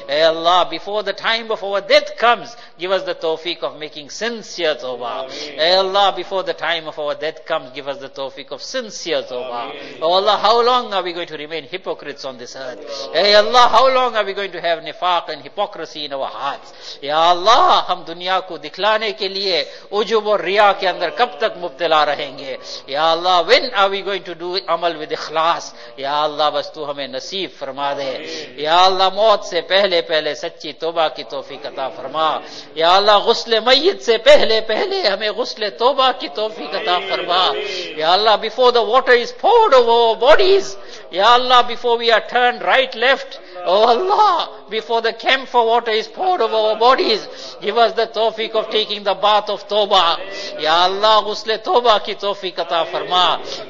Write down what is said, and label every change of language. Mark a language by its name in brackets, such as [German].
[English] Ya Allah, before the time of our death comes, give us the tawfiq of making sincere tawbah. Ya Allah, before the time of our death comes, give us the tawfiq of sincere tawbah. Oh Allah, how long are we going to remain hypocrites on this earth? Ya Allah, how long are we going to have nifaq and hypocrisy in our hearts? [Urdu] Ya Allah, ہم دنیا کو دکھلانے کے لیے عجب اور ریا کے اندر کب تک مبتلا رہیں گے؟ یا اللہ, [English] when are we going to do [Urdu] عمل with اخلاص؟ یا اللہ, بس تو ہمیں نصیب فرما دے. یا اللہ, موت سے پہلے پہلے سچی توبہ کی توفیق عطا فرما. یا اللہ, غسل میت سے پہلے پہلے ہمیں غسل توبہ کی توفیق عطا فرما. [English] یا اللہ, before the water is poured over our bodies, یا اللہ, before we are turned right left, oh Allah, before the camphor water is poured over our bodies, give us the tawfiq of taking the bath of tawbah. [Urdu] Ya Allah, ghusle tawbah ki tawfiq ata farma.